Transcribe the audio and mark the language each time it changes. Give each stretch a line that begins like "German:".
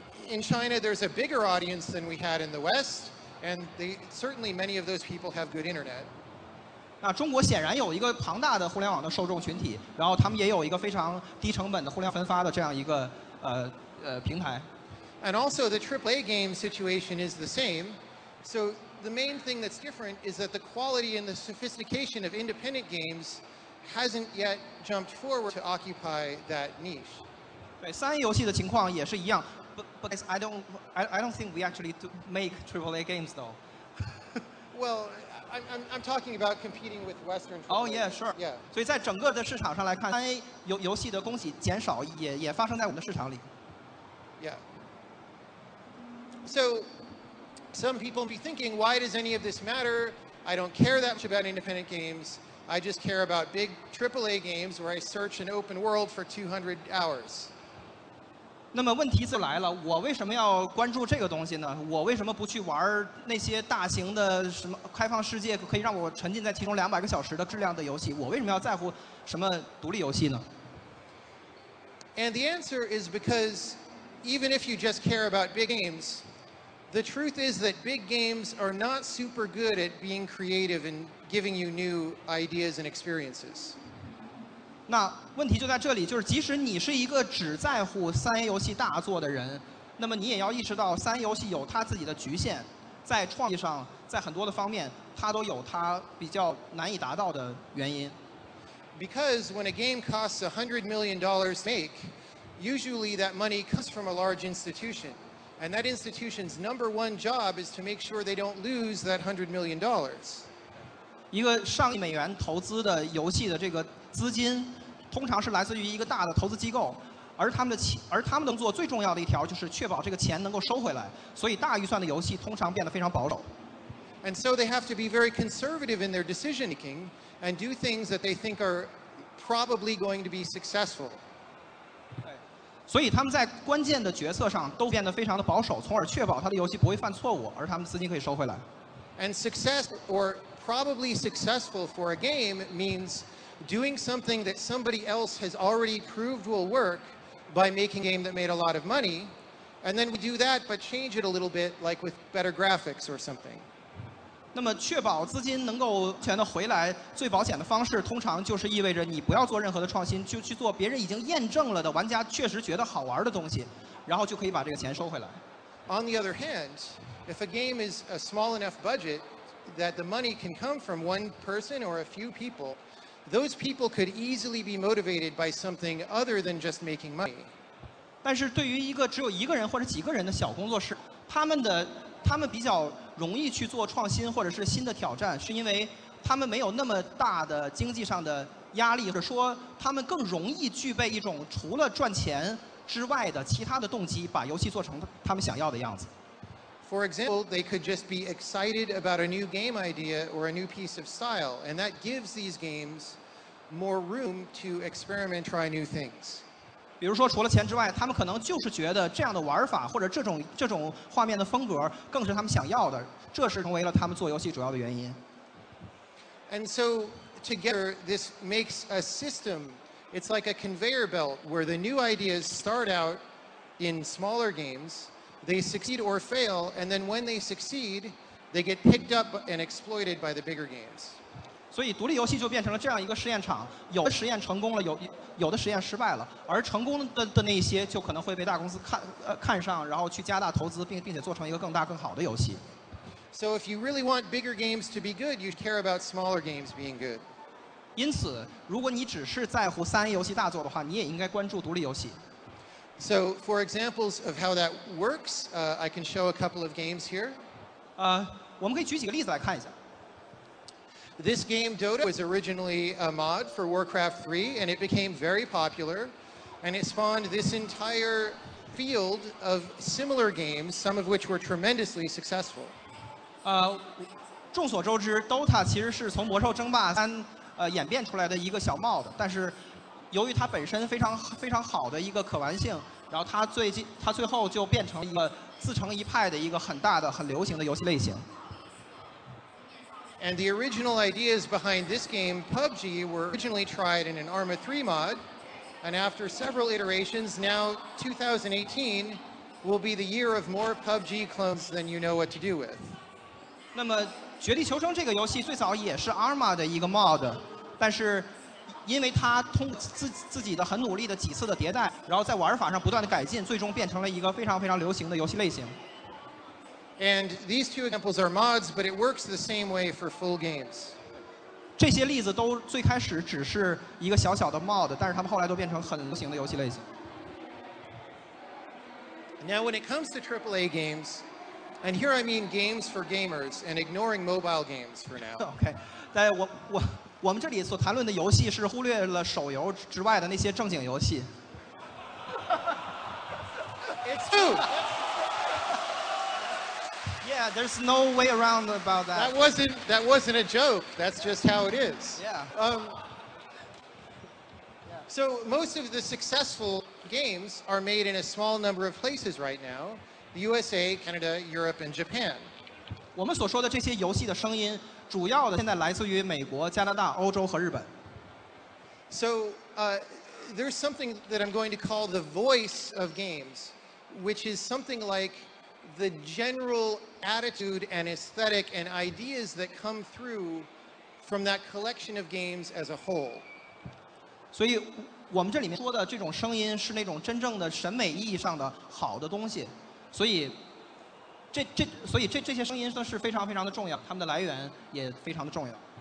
English: In China, there's a bigger audience than we had in the West, and certainly many of those people have good internet.
Chinese: 那中国显然有一个庞大的互联网的受众群体，然后他们也有一个非常低成本的互联网分发的这样一个平台。
English: And also, the AAA game situation is the same. So the main thing that's different is that the quality and the sophistication of independent games hasn't yet jumped forward to occupy that niche.
Chinese: 对，三 A 游戏的情况也是一样。
English: But I don't think we actually make AAA games though. Well, I'm talking about competing with Western. Oh yeah, sure. Yeah.
Chinese: 所以在整个的市场上来看，三 A 游戏的供给减少也发生在我们的市场里。
English: Yeah. So, some people be thinking, why does any of this matter? I don't care that much about independent games. I just care about big AAA games where I search an open world for 200 hours.
Chinese: 那么问题就来了，我为什么要关注这个东西呢？我为什么不去玩那些大型的什么开放世界，可以让我沉浸在其中200个小时的质量的游戏？我为什么要在乎什么独立游戏呢？
English: And the answer is because. Even if you just care about big games, the truth is that big games are not super good at being creative and giving you new ideas and experiences.
Chinese: 那问题就在这里，就是即使你是一个只在乎三 A 游戏大作的人，那么你也要意识到三 A 游戏有它自己的局限，在创意上，在很多的方面，它都有它比较难以达到的原因。
English: Because when a game costs $100 million to make,Usually, that money comes from a large institution, and that institution's number one job is to make sure they don't lose that $100 million.
Chinese: 一个上亿美元投资的游戏的这个资金，通常是来自于一个大的投资机构。而他们的工作最重要的一条就是确保这个钱能够收回来，所以大预算的游戏通常变得非常保守。
English: And so they have to be very conservative in their decision making and do things that they think are probably going to be successful.
Chinese: 对，所以他们在关键的决策上都变得非常的保守，从而确保他的游戏不会犯错误，而他们资金可以收回来。
English: And success or probably successful for a game means doing something that somebody else has already proved will work by making a game that made a lot of money, and then we do that but change it a little bit, like with better graphics or something.
Chinese: 那么确保资金能够全的回来，最保险的方式通常就是意味着你不要做任何的创新，就去做别人已经验证了的玩家确实觉得好玩的东西，然后就可以把这个钱收回来。
English: On the other hand, if a game is a small enough budget that the money can come from one person or a few people, those people could easily be motivated by something other than just making money.
Chinese: 但是对于一个只有一个人或者几个人的小工作室，他们比较容易去做创新或者是新的挑战，是因为他们没有那么大的经济上的压力，或者说他们更容易具备一种除了赚钱之外的其他的动机，把游戏做成他们想要的样子。
English: For example, they could just be excited about a new game idea or a new piece of style, and that gives these games more room to experiment, try new things.
Chinese: 比如说除了钱之外，他们可能就是觉得这样的玩法或者这种画面的风格更是他们想要的，这是成为了他们做游戏主要的原因。
English: And so together this makes a system. It's like a conveyor belt where the new ideas start out in smaller games, they succeed or fail, and then when they succeed, they get picked up and exploited by the bigger games.
Chinese: 所以独立游戏就变成了这样一个试验场，有的实验成功了，有的实验失败了，而成功的那一些就可能会被大公司看上，然后去加大投资，并且做成一个更大更好的游戏。
English: So if you really want bigger games to be good, you care about smaller games being good.
Chinese: 因此，如果你只是在乎3A游戏大作的话，你也应该关注独立游戏。
English: So for examples of how that works, I can show a couple of games here.
Chinese: 我们可以举几个例子来看一下。
English: This game, Dota, was originally a mod for Warcraft 3, and it became very popular, and it spawned this entire field of similar games, some of which were tremendously successful.
Chinese: 众所周知 ，Dota 其实是从《魔兽争霸三》演变出来的一个小 mod， 但是由于它本身非常非常好的一个可玩性，然后它最后就变成一个自成一派的一个很大的、很流行的游戏类型。
English: And the original ideas behind this game, PUBG, were originally tried in an Arma 3 mod, and after several iterations, now 2018 will be the year of more PUBG clones than you know what to do with.
Chinese: 那么《绝地求生》这个游戏最早也是 Arma 的一个 mod， 但是因为它通过自己的很努力的几次的迭代，然后在玩法上不断的改进，最终变成了一个非常非常流行的游戏类型。
English: And these two examples are mods, but it works the same way for full games.
Chinese: 这些例子都最开始只是一个小小的 mod， 但是他们后来都变成很流行的游戏类型。
English: Now, when it comes to AAA games, and here I mean games for gamers and ignoring mobile games for now.
Chinese: Okay, 但我们这里所谈论的游戏是忽略了手游之外的那些正经游戏。
English: It's true. Yeah, there's no way around about that. That wasn't a joke. That's just how it is. Yeah. So most of the successful games are made in a small number of places right now: the USA, Canada, Europe, and Japan.
Chinese: 我们所说的这些游戏的声音，主要的现在来自于美国、加拿大、欧洲和日本。
English: So there's something that I'm going to call the voice of games, which is something like. The general attitude and aesthetic and ideas that come through from that collection of games as a whole.
Chinese: 所以我们这里面说的这种声音是那种真正的审美意义上的好的东西。所以这些声音都是非常非常的重要，它们的来源也非常的重要。